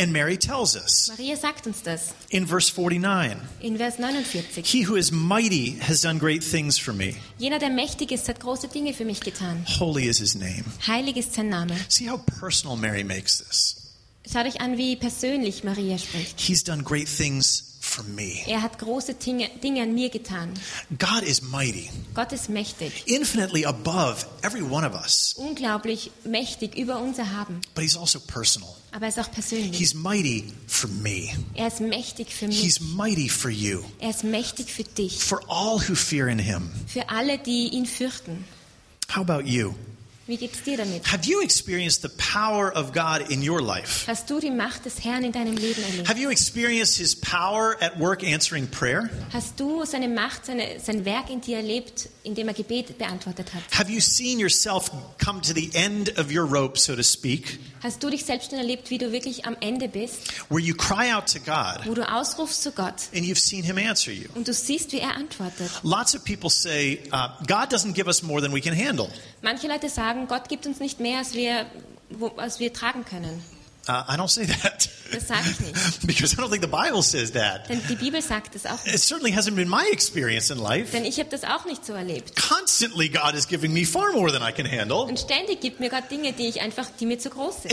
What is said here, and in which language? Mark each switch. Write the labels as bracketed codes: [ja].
[en] And Mary tells us. [de] Maria sagt uns das. [en] In verse 49. [de] In Vers 49. [en] He who is mighty has done great things for me. [de] Jener, der mächtig ist, hat große Dinge für mich getan. [en] Holy is his name. [de] Heilig ist sein Name. [en] See how personal Mary makes this. [de] Schau dich an, wie persönlich Maria spricht. [en] He's done great things for me. [de] Er hat große Dinge an mir getan. [en] God is mighty. [de] Gott ist mächtig. [en] Infinitely above every one of us. [de] Unglaublich mächtig über uns erhaben. [en] But he's also personal. [de] Aber er ist auch persönlich. [en] He's mighty for me. [de] Er ist mächtig für mich. [en] He's mighty for you. [de] Er ist mächtig für dich. [en] For all who fear in him. [de] Für alle, die ihn fürchten. [en] How about you? [de] Wie geht's dir damit? [en] Have you experienced the power of God in your life? [de] Hast du die Macht des Herrn in deinem Leben erlebt? [en] Have you experienced his power at work answering prayer? [de] Hast du seine Macht, sein Werk in dir erlebt, indem er Gebet beantwortet hat? [en] Have you seen yourself come to the end of your rope, so to speak? [de] Hast du dich selbst schon erlebt, wie du wirklich am Ende bist? [en] Where you cry out to God? [de] Wo du ausrufst zu Gott? [en] And you've seen him answer you. [de] Und du siehst, wie er antwortet. [en] Lots of people say God doesn't give us more than we can handle. [de] Manche Leute sagen, Gott gibt uns nicht mehr, als wir tragen können. [en] I don't say that. [de] Das sage ich nicht. [en] Because I don't think the Bible says that. [de] Denn die Bibel sagt es auch nicht. [en] It certainly hasn't been my experience in life. [de] Denn ich habe das auch nicht so erlebt. [en] Constantly God is giving me far more than I can handle. [de] Und ständig gibt mir Gott Dinge, die ich einfach, die mir zu groß sind.